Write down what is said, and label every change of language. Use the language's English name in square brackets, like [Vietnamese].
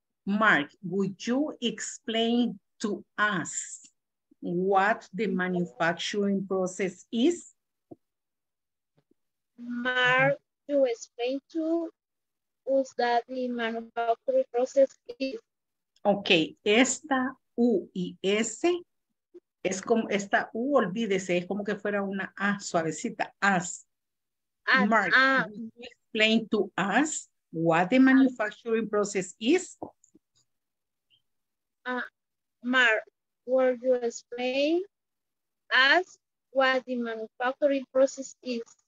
[English] Mark, would you explain to us what the manufacturing process is? Mark, would you explain to us that the manufacturing process is? [Spanish] Okay, esta U y S. Es como esta U, olvídese, es como que fuera una A, suavecita, as. [English] Mark, can you explain to us what the manufacturing process is? Mark, will you explain us what the manufacturing process is?